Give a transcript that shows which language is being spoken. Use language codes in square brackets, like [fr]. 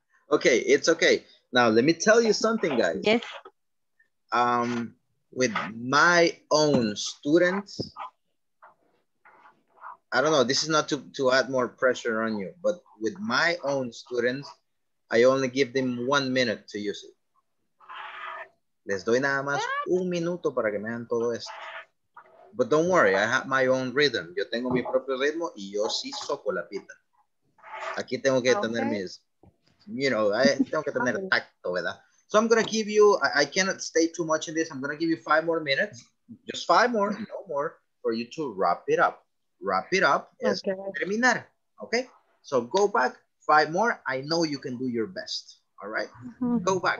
[en] Okay, it's okay. Now, let me tell you something, guys. Yes. With my own students, I don't know, this is not to add more pressure on you, but with my own students, I only give them 1 minute to use it. [es] Les doy nada más un minuto para que me hagan todo esto. [en] But don't worry, I have my own rhythm. [es] Yo tengo mi propio ritmo y yo sí soco la pita. Aquí tengo que tener mis, [en] you know, [es] tengo que tener tacto, ¿verdad? [en] So I'm gonna give you, I cannot stay too much in this. I'm gonna give you 5 more minutes, just 5 more, no more, for you to wrap it up. Wrap it up is okay. [es] Terminar, [en] okay? So go back 5 more. I know you can do your best. All right. Go back.